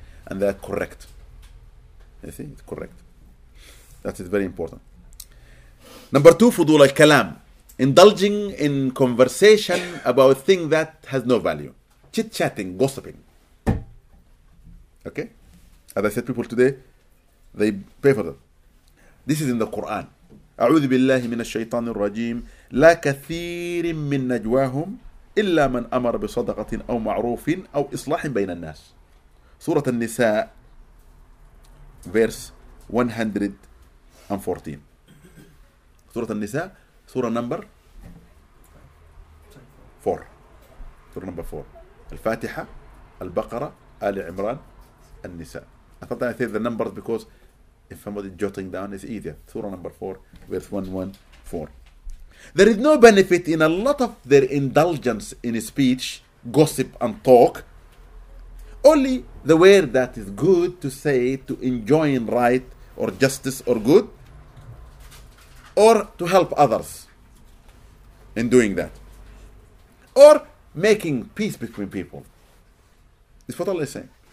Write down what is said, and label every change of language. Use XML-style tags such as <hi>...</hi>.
<en>And they're correct. You see, it's correct. That is very important. Number two, fudul al-kalam. Indulging in conversation about a thing that has no value. Chit-chatting, gossiping. Okay? As I said, people today, they pay for that. This is in the Quran.</en> <ar>أعوذ بالله من الشيطان الرجيم لا كثير من نجواهم إلا من أمر بصدقة أو معروف أو إصلاح بين الناس.</ar> <en>سورة النساء, verse 114. سورة النساء, سورة number 4. سورة number 4.</en> <ar>الفاتحة, البقرة, آل عمران, النساء.</ar> <en>I thought I said the numbers because if somebody jotting down, it's easier. Surah number 4, verse 114. There is no benefit in a lot of their indulgence in speech, gossip, and talk. Only the word that is good to say to enjoin right or justice or good or to help others in doing that or making peace between people. It's what Allah is saying.</en>